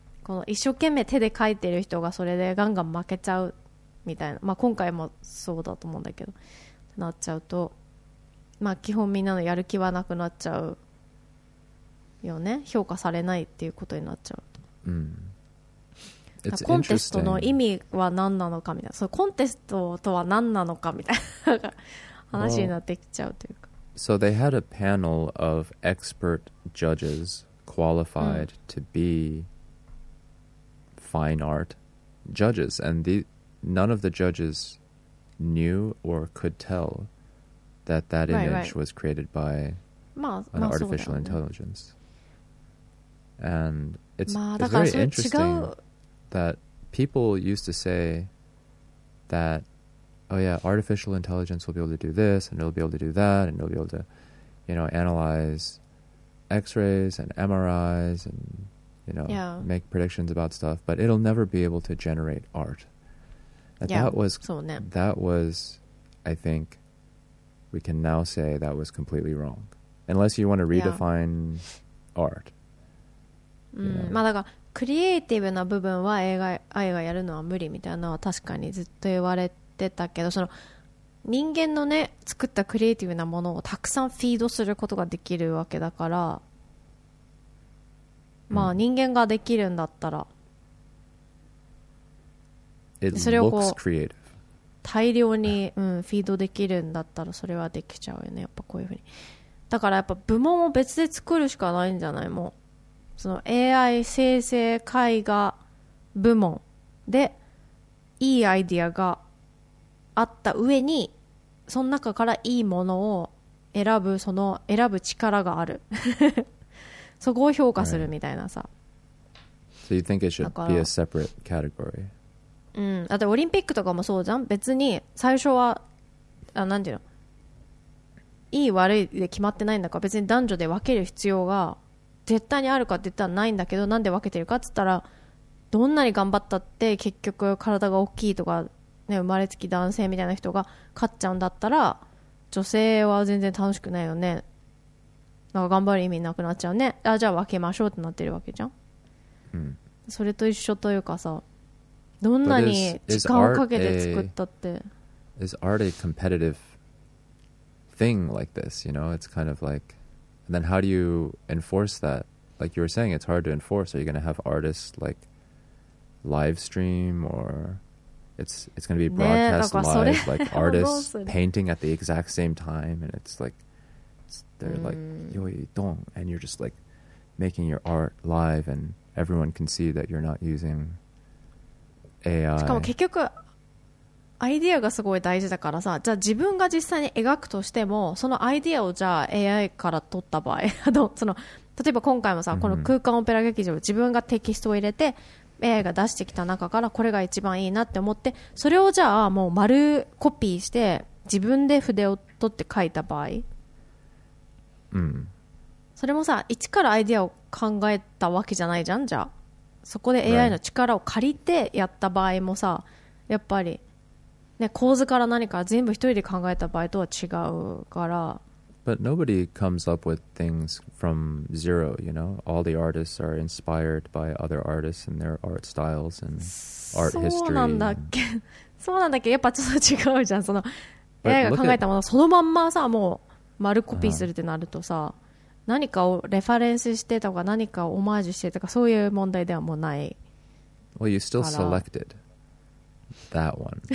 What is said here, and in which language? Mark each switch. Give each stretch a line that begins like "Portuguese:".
Japanese: この一生懸命手で書いてる人がそれでガンガン負けちゃうみたいな、まあ今回もそうだと思うんだけど、なっちゃうと、まあ基本みんなのやる気はなくなっちゃうよね、評価されないっていうことになっちゃうと。コンテストの意味は何なのかみたいな、そのコンテストとは何なのかみたいな話になってきちゃうというか。
English: So they had a panel of expert judges qualified to be fine art judges, and none of the judges knew or could tell that that image was created by an artificial intelligence. And it's very interesting that people used to say that, oh yeah, artificial intelligence will be able to do this, and it'll be able to do that, and it'll be able to, you know, analyze x-rays and MRIs and, you know, make predictions about stuff, but it'll never be able to generate art. That was, I think, we can now say that was completely wrong. Unless you want to redefine art.
Japanese: まあ、だからクリエイティブな部分は AI がやるのは無理みたいなのは確かにずっと言われてたけど、その人間のね作ったクリエイティブなものをたくさんフィードすることができるわけだから、まあ人間ができるんだったら、それをこう大量にフィードできるんだったら、それはできちゃうよね、やっぱこういうふうに。だからやっぱ部門を別で作るしかないんじゃない、もうその AI 生成絵画部門でいいアイディアがあった上に、その中からいいものを選ぶ、その選ぶ力があるそこを評価するみたいなさ、
English: So you think it should be a separate category?
Japanese: だってオリンピックとかもそうじゃん、別に最初は何て言うの、いい悪いで決まってないんだから、別に男女で分ける必要が絶対にあるかって言ったらないんだけど、なんで分けてるかって言ったら、どんなに頑張ったって結局体が大きいとか、ね、生まれつき男性みたいな人が勝っちゃうんだったら女性は全然楽しくないよね。なんか頑張る意味なくなっちゃうね。あ、じゃあ分けましょうってなってるわけじゃん、うん、それと一緒というかさ、どんなに時間をかけて作ったって
English: is art a competitive thing like this? You know, it's kind of like, and then how do you enforce that? Like you were saying, it's hard to enforce. Are you going to have artists like live stream, or it's going to be broadcast、
Japanese: ね、
English: live, like artists painting at the exact same time, and it's like they're like yoi dong, and you're just like making your art live, and everyone can see that you're not using AI.
Japanese: しかも結局アイデアがすごい大事だからさ、じゃあ自分が実際に描くとしても、そのアイデアをじゃあ AI から取った場合、その例えば今回もさ、この空間オペラ劇場、自分がテキストを入れて AI が出してきた中からこれが一番いいなって思って、それをじゃあもう丸コピーして自分で筆を取って書いた場合、うん、それもさ一からアイデアを考えたわけじゃないじゃん。じゃあそこで AI の力を借りてやった場合もさ、やっぱり、ね、構図から何か全部一人で考えた場合とは違うから。
English: But nobody comes up with things from zero, you know? All the artists are inspired by other artists and their art styles and art history.
Japanese: そうなんだっけ、そうなんだっけ、やっぱちょっと違うじゃん。その AI が考えたものそのまんまさ、もう丸コピーするってなるとさ、何かをレファレンスしてとか何かをオマージュしてとか、そういう問題ではもうないから。
English: Well, you still selected that one.